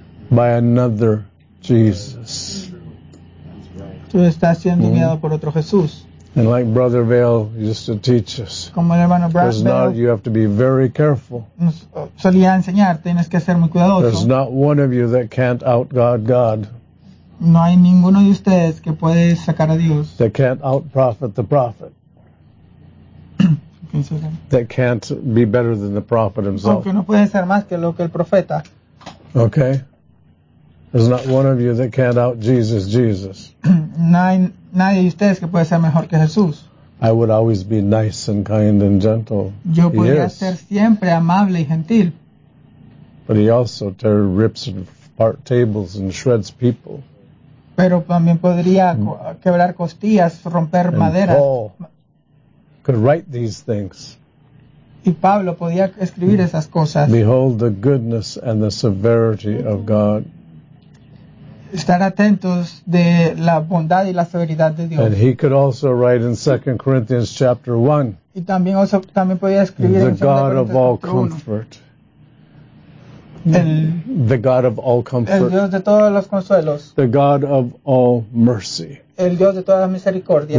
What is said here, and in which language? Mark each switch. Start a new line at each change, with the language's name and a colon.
English: By another Jesus.
Spanish: Tú estás siendo guiado por otro Jesús.
English: And like Brother Vail used to teach us,
Spanish: como el hermano Brad
English: there's not, you have to be very careful.
Spanish: Solía enseñar, tienes que ser muy cuidadoso.
English: There's not one of you that can't out-God God.
Spanish: No hay ninguno de ustedes que puede sacar a Dios.
English: That can't out-prophet the prophet. That can't be better than the prophet himself.
Spanish: Aunque no puede ser más que lo que el profeta.
English: Okay. There's not one of you that can't out-Jesus Jesus.
Spanish: Nadie de ustedes que puede ser mejor que Jesús.
English: I would always be nice and kind and gentle.
Spanish: Yo podría ser siempre amable y gentil.
English: But he also rips apart tables and shreds people.
Spanish: Pero también podría quebrar costillas, romper maderas.
English: And Paul could write these things.
Spanish: Y Pablo podía escribir esas cosas.
English: Behold the goodness and the severity of God.
Spanish: Estar atentos de la bondad y la severidad de Dios.
English: And he could also write in 2 Corinthians chapter 1.
Spanish: Y también also, también podía escribir
English: the God of all comfort. The God of all comfort.
Spanish: El Dios de todos los consuelos.
English: The God of all mercy.
Spanish: El Dios de todas las misericordias.